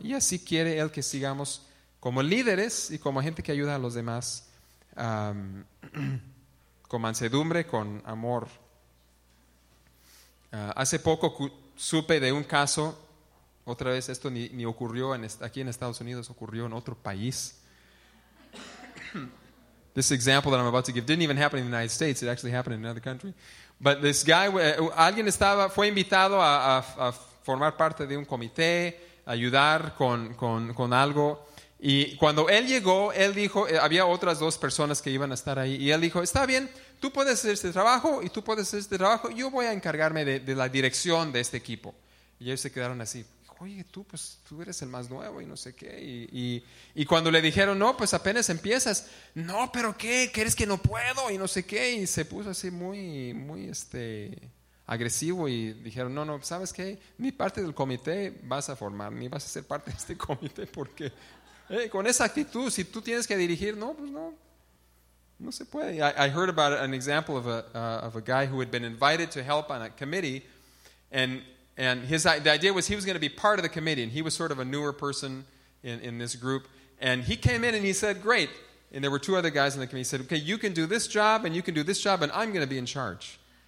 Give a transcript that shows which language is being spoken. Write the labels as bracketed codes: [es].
[es] Y así quiere él que sigamos como líderes y como gente que ayuda a los demás, con mansedumbre, con amor. Hace poco supe de un caso, otra vez esto ni ocurrió aquí en Estados Unidos, ocurrió en otro país. [en] This example that I'm about to give didn't even happen in the United States, it actually happened in another country. But this guy, [es] alguien estaba, fue invitado a formar parte de un comité, ayudar con algo. Y cuando él llegó, él dijo, había otras dos personas que iban a estar ahí, y él dijo, está bien, tú puedes hacer este trabajo y tú puedes hacer este trabajo, yo voy a encargarme de la dirección de este equipo. Y ellos se quedaron así, oye, tú eres el más nuevo y no sé qué. Y cuando le dijeron, no, pues apenas empiezas, no, pero qué, ¿crees que no puedo? Y no sé qué, y se puso así muy, muy agresivo, y dijeron, no, ¿sabes qué? Ni parte del comité vas a formar, ni vas a ser parte de este comité, porque... con esa actitud, si tú tienes que dirigir, no, pues no, no se puede. [en] I heard about an example of a guy who had been invited to help on a committee, and his the idea was he was going to be part of the committee, and he was sort of a newer person in this group. And he came in and he said, great. And there were two other guys in the committee. He said, okay, you can do this job, and you can do this job, and I'm going to be in charge.